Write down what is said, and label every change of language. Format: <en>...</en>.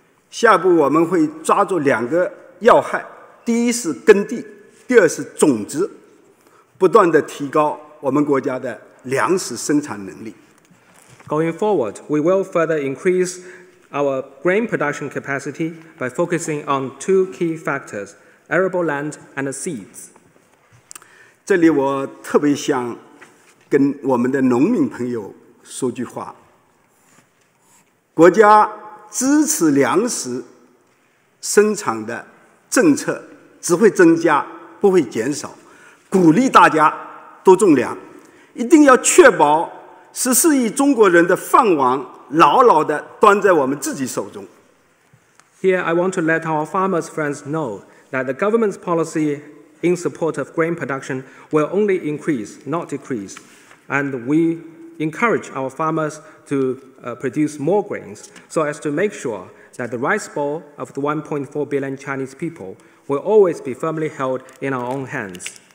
<zh>下一步我们会抓住两个要害，第一是耕地，第二是种植，不断地提高我们国家的粮食生产能力。</zh> <en>Going forward, we will further increase our grain production capacity by focusing on two key factors, arable land and seeds.</en> <zh>这里我特别想跟我们的农民朋友说句话。国家支持粮食生产的政策只会增加，不会减少，鼓励大家多种粮，一定要确保14亿中国人的饭碗牢牢地端在我们自己手中。</zh> <en>Here I want to let our farmers friends know that the government's policy in support of grain production will only increase, not decrease, and we encourage our farmers to produce more grains so as to make sure that the rice bowl of the 1.4 billion Chinese people will always be firmly held in our own hands.</en>